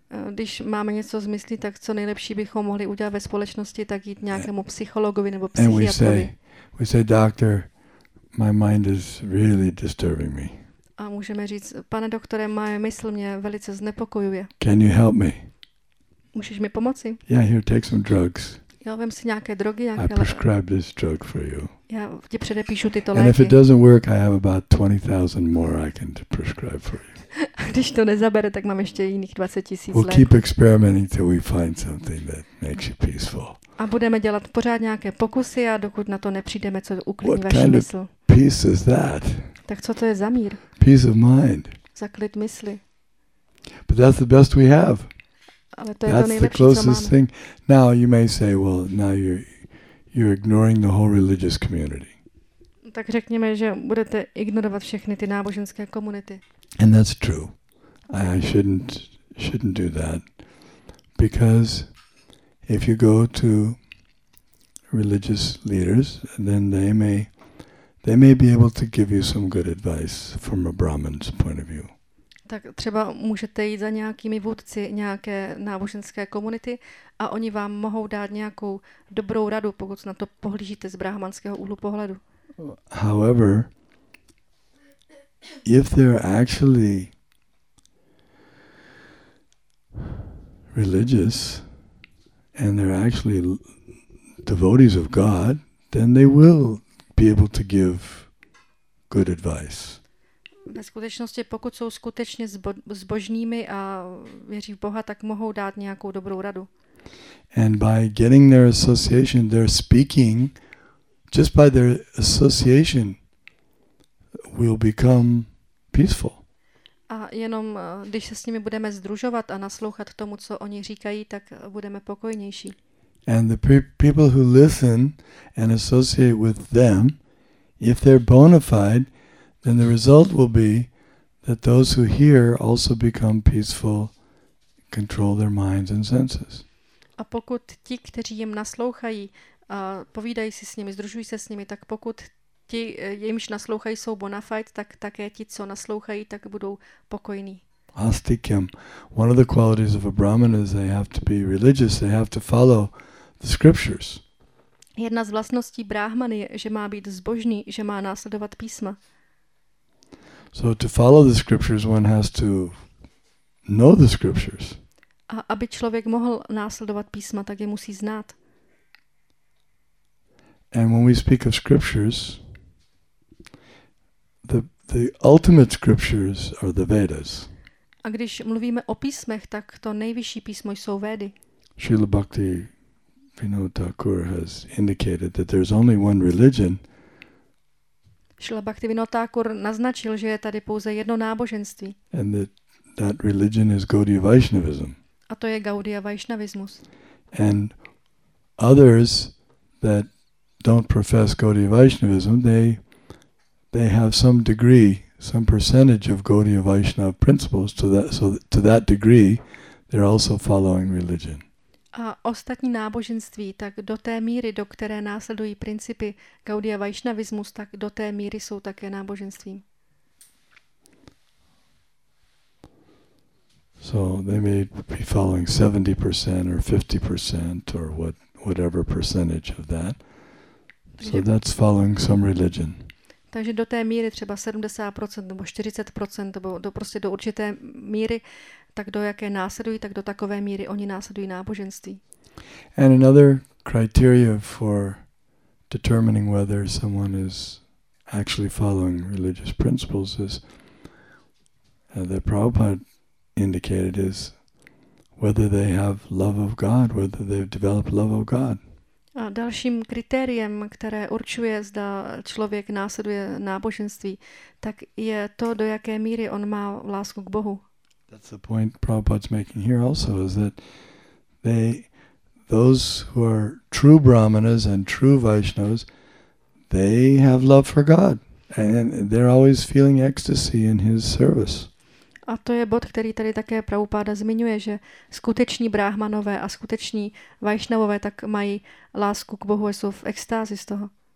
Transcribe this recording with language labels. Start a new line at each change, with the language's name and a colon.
Czech: Když máme něco zmyslí, tak co nejlepší bychom mohli udělat ve společnosti, tak jít nějakému psychologovi nebo psychiatrovi.
English: And we say, doctor, my mind is really disturbing me.
Czech: A můžeme říct, pane doktore, moje mysl mě velice znepokojuje.
English: Can you help me?
Czech: Můžeš mi pomoci?
English: Yeah, here, take some drugs.
Czech: Jo, vem si nějaké drogy.
English: I prescribe this drug for you.
Czech: Já ti předepíšu tyto léky.
English: And if it doesn't work, I have about 20,000 more I can prescribe for you.
Czech: A když to nezabere, tak mám ještě jiných 20 tisíc léků.
English: We'll keep experimenting till we find something that makes you peaceful.
Czech: A budeme dělat pořád nějaké pokusy, a dokud na to nepřijdeme, co uklidní vaši mysl.
English: What kind of peace is that?
Czech: Tak co to je za mír?
English: Peace of mind.
Czech: Za klid mysli.
English: But that's the best we have.
Czech: Ale to je
English: that's
Czech: to nejlepší,
English: the closest
Czech: co mám.
English: Thing. Now you may say, well, now you're ignoring the whole religious community.
Czech: Tak řekněme, že budete ignorovat všechny ty náboženské komunity.
English: And that's true. I shouldn't do that, because if you go to religious leaders, then they may be able to give you some good advice from a Brahmin's point of view.
Czech: Tak třeba můžete jít za nějakými vůdci nějaké náboženské komunity, a oni vám mohou dát nějakou dobrou radu, pokud na to pohlížíte z brahmanského úhlu pohledu.
English: However, if they're actually religious and they're actually devotees of God, then they will be able to give good advice.
Czech: Ve skutečnosti, pokud jsou skutečně zbožnými a věří v Boha, tak mohou dát nějakou dobrou radu.
English: And by getting their association, they're speaking, just by their association, will become peaceful.
Czech: A jenom když se s nimi budeme sdružovat a naslouchat tomu, co oni říkají, tak budeme pokojnější.
English: And the people who listen and associate with them, if they're bona fide, then the result will be that those who hear also become peaceful, control their minds and senses.
Czech: A pokud ti, kteří jim naslouchají, povídají si s nimi, sdružují se s nimi, tak pokud ti, jimž naslouchají, jsou bona fide, tak také ti, co naslouchají, tak budou pokojní.
Sanskrit: Astikyam.
English: One of the qualities of a Brahmin is they have to be religious, they have to follow the scriptures.
Czech: Jedna z vlastností Brahman je, že má být zbožný, že má následovat písma.
English: So to follow the scriptures, one has to know the scriptures.
Czech: A aby člověk mohl následovat písma, tak je musí znát.
English: And when we speak of scriptures, the ultimate scriptures are the Vedas.
Czech: A když mluvíme o písmech, tak to nejvyšší písmo jsou Védy.
English: Srila Bhakti Vinod Thakur has indicated that there's only one religion.
Czech: Srila Bhakti Vinod Thakur naznačil, že je tady pouze jedno náboženství.
English: And that religion is Gaudiya Vaishnavism.
Czech: A to je Gaudiya Vaishnavismus.
English: And others that don't profess Gaudiya Vaishnavism, they have some degree, some percentage of Gaudiya Vaishnav principles, to that degree they're also following religion.
Czech: A ostatní náboženství, tak do té míry, do které následují principy Gaudiya Vaishnavismus, tak do té míry jsou také náboženstvím.
English: So they may be following 70% or 50% or whatever percentage of that. So that's following some religion.
Czech: Takže do té míry třeba 70% nebo 40% nebo prostě do určité míry, tak do jaké následují, tak do takové míry oni následují náboženství.
English: And another criteria for determining whether someone is actually following religious principles is that Prabhupada indicated is whether they have love of God, whether they've developed love of God.
Czech: A dalším kritériem, které určuje, zda člověk následuje náboženství, tak je to, do jaké míry on má lásku k Bohu.
English: That's the point Prabhupada's making here also, is that those who are true Brahmanas and true Vaishnavas, they have love for God. And they're always feeling ecstasy in his service.
Czech: A to je bod, který tady také Prabhupada zmiňuje, že skuteční Brahmanové a skuteční Vaishnavové tak mají lásku k Bohu a jsou v extázi z toho.